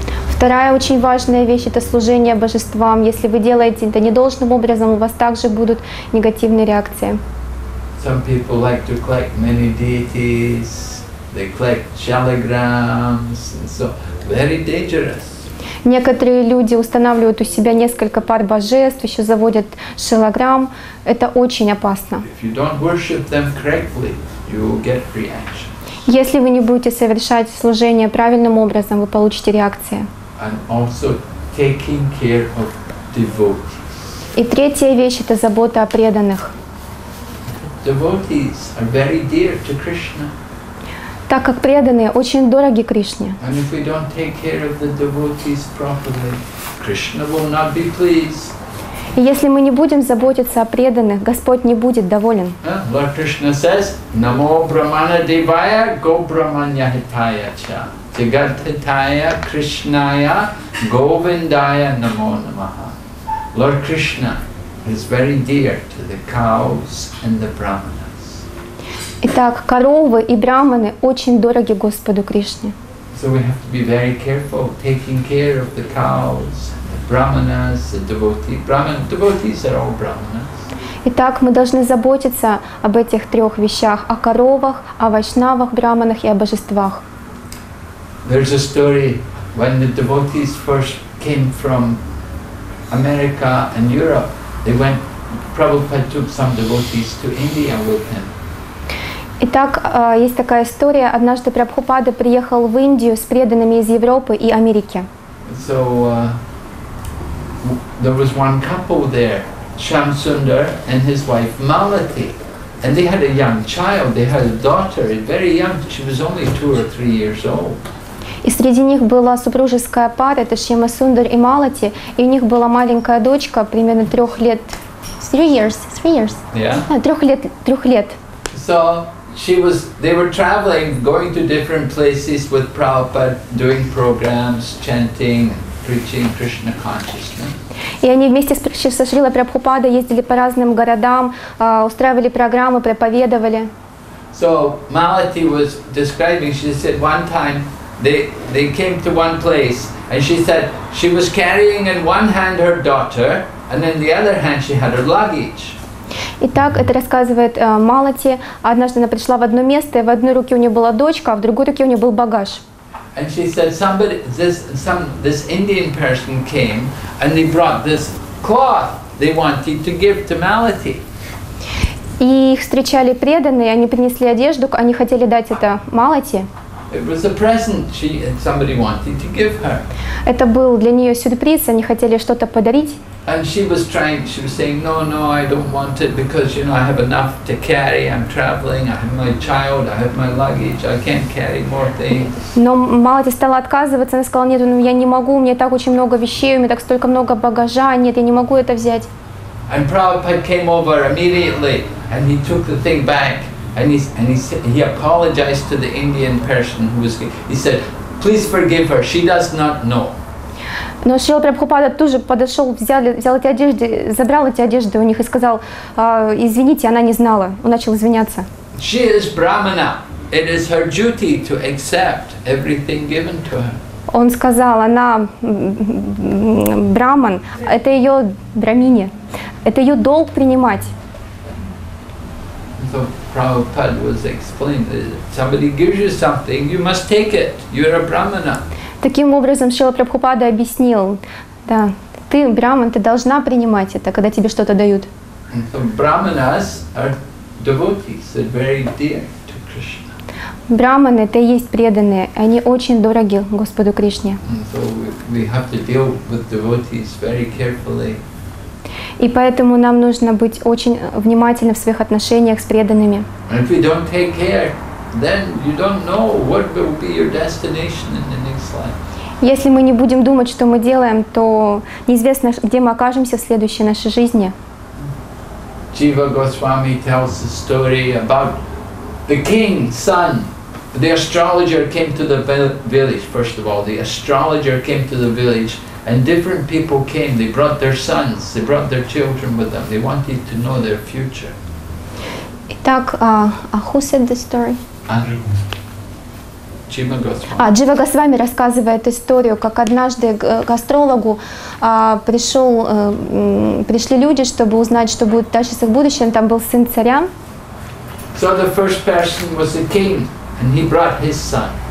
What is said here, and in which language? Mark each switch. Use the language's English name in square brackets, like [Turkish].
[Russian] Вторая очень важная вещь — это служение божествам. Если вы делаете это недолжным образом, у вас также будут негативные реакции. [English] Some people like to collect many deities. They collect shalagrams and so very dangerous. [Russian] Некоторые люди устанавливают у себя несколько пар божеств, еще заводят шалограмм. Это очень опасно. [English] If you don't worship them correctly, you will get reactions. [Russian] Если вы не будете совершать служение правильным образом, вы получите реакции. [English] And also taking care of devotees. [Russian] И третья вещь — это забота о преданных. [English] Devotees are very dear to Krishna. [Russian] Так как преданные очень дороги Кришне. [English] And if we don't take care of the devotees properly, Krishna will not be pleased. [Russian] И если мы не будем заботиться о преданных, Господь не будет доволен. [English] Lord Krishna says, [Sanskrit] Namo Brahmana Devaya Go Brahmanya Hitaya Cha Jagat Hitaya Krishnaya Govindaya Namo Namaha. [English] Lord Krishna is very dear to the cows and the brahmanas. [Russian] Итак, коровы и брахманы очень дороги Господу Кришне. [English] So we have to be very careful taking care of the cows, the brahmanas, the devotees. Devotees are all brahmanas. [Russian] Итак, мы должны заботиться об этих трех вещах: о коровах, о вайшнавах, брахманах и о божествах. [English] There's a story when the devotees first came from America and Europe. They went. Prabhupada took some devotees to India with him. [Russian] Итак, есть такая история. Однажды Прабхупада приехал в Индию с преданными из Европы и Америки. [English] So there was one couple there, Shamsundar and his wife Malati, and they had a young child. They had a daughter, very young. She was only 2 or 3 years old. [Russian] И среди них была супружеская пара, это Шьяма Сундар и Малати, и у них была маленькая дочка, примерно 3 лет. [English] Three years. Yeah. [Russian] Трех лет. [English] So they were traveling, going to different places with Prabhupada, doing programs, chanting, preaching Krishna consciousness. [Russian] И они вместе со Шрилой Прабхупадой ездили по разным городам, устраивали программы, проповедовали. [English] So Malati was describing, she said one time, They came to one place, and she said she was carrying in one hand her daughter, and in the other hand she had her luggage. [Russian] Итак, это рассказывает Малати. Однажды она пришла в одно место, и в одной руке у нее была дочка, а в другой руке у нее был багаж. [English] And she said, somebody, this Indian person came and they brought this cloth they wanted to give to Malati. [Russian] И их встречали преданные, они принесли одежду, они хотели дать это Малати. [English] It was a present she, somebody wanted to give her. [Russian] Это был для нее сюрприз, они хотели что-то подарить. [English] And she was trying, she was saying, no, no, I don't want it because, you know, I have enough to carry, I'm traveling, I have my child, I have my luggage, I can't carry more things. [Russian] Но Малати стала отказываться, она сказала, нет, ну, я не могу, у меня так очень много вещей, у меня так столько много багажа, нет, я не могу это взять. [English] And Prabhupada came over immediately, and he took the thing back, and he apologized to the Indian person who was. He said, "Please forgive her. She does not know." [Russian] Но Шрила Прабхупада тоже подошел, взял эти одежды, забрал эти одежды у них и сказал, извините, она не знала. Он начал извиняться. [English] She is Brahmana. It is her duty to accept everything given to her. [Russian] Он сказал, она браман, это ее брамине, это ее долг принимать. [English] So Prabhupada was explained, somebody gives you something, you must take it, you're a brahmana. [Russian] Таким образом Шрила Прабхупада объяснил, да, ты браман, ты должна принимать это, когда тебе что-то дают. [English] So brahmanas are devotees, they're very dear. [Russian] Брахманы — это и есть преданные, они очень дороги Господу Кришне. [English] So we have to deal with devotees very carefully. [Russian] И поэтому нам нужно быть очень внимательны в своих отношениях с преданными. [English] And if you don't take care, then you don't know what will be your destination in the next life. [Russian] Если мы не будем думать, что мы делаем, то неизвестно, где мы окажемся в следующей нашей жизни. [English] Jiva Goswami tells a story about the king's son. The astrologer came to the village, first of all. The astrologer came to the village and different people came. They brought their sons, they brought their children with them. They wanted to know their future. [Russian] Итак, [English] who said the story? Jiva Goswami. [Russian] Jiva Goswami рассказывает историю, как однажды к астрологу пришли люди, чтобы узнать, что будет дальше с их будущим. Там был сын царя. [English] So the first person was the king, and he brought his son.